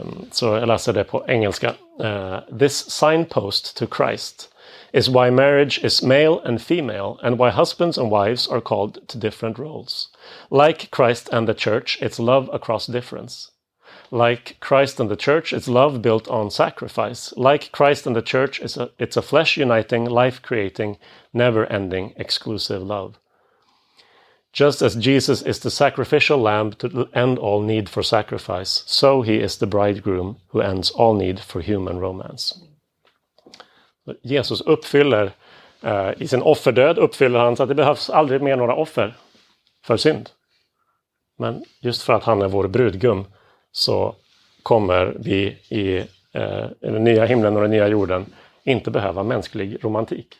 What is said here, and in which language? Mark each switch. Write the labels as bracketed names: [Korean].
[Swedish] Så jag läser det på engelska. [English] This signpost to Christ is why marriage is male and female and why husbands and wives are called to different roles. Like Christ and the church, it's love across difference. Like Christ and the church, it's love built on sacrifice. Like Christ and the church, it's a flesh uniting, life creating, never ending, exclusive love. Just as Jesus is the sacrificial lamb to end all need for sacrifice, so he is the bridegroom who ends all need for human romance. [Swedish] Jesus uppfyller i sin offerdöd, uppfyller han så att det behövs aldrig mer några offer för synd. Men just för att han är vår brudgum så kommer vi i den nya himlen och den nya jorden inte behöva mänsklig romantik.